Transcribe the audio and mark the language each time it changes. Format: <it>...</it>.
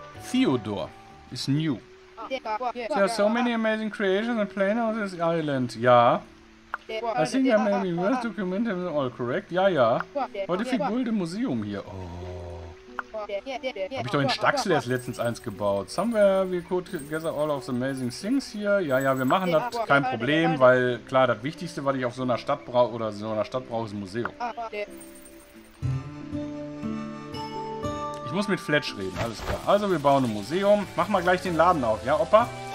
<en>Theodore is new. There are so many amazing creations and planes on this island.</en> <de>Ja.</de> <en>I think I'm maybe worth documenting them all, correct?</en> <de>Ja, ja.</de> <en>What if we build a museum here? Oh.</en> <de>Hab ich doch in Staxel erst letztens eins gebaut.</de> <en>Somewhere we could gather all of the amazing things here.</en> <de>Ja, ja, wir machen das kein Problem, weil klar, das Wichtigste, was ich auf so einer Stadt brauche, oder so einer Stadt brauche, ist ein Museum. Ich muss mit Fletch reden, alles klar. Also, wir bauen ein Museum. Mach mal gleich den Laden auf, ja, Opa?</de>